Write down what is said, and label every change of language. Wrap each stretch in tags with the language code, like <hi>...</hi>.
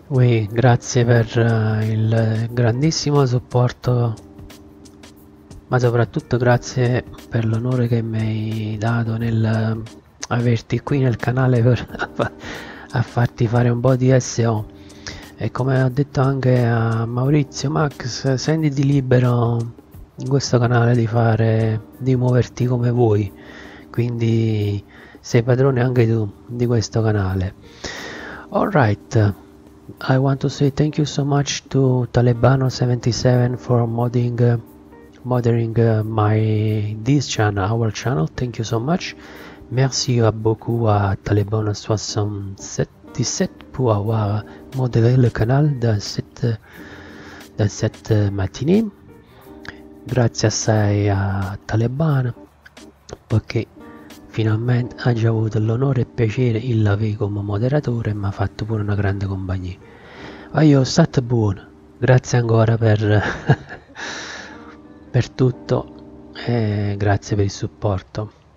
<fr>Oui,</fr> <it>grazie per il grandissimo supporto, ma soprattutto grazie per l'onore che mi hai dato nel averti qui nel canale per a farti fare un po' di SEO. E come ho detto anche a Maurizio, Max, senditi libero in questo canale di muoverti come vuoi, quindi sei padrone anche tu di questo canale.</it> <en>All right, I want to say thank you so much to Talebano 77 for moderating this channel, our channel. Thank you so much.</en> <fr>Merci beaucoup à Talebano 77 pour avoir modéré le canal dans cette matinée.</fr> <it>Grazie assai a Talebano, perché finalmente ha già avuto l'onore e piacere il lavoro come moderatore e mi ha fatto pure una grande compagnia. Ma io state buono, grazie ancora per per tutto e grazie per il supporto.</it>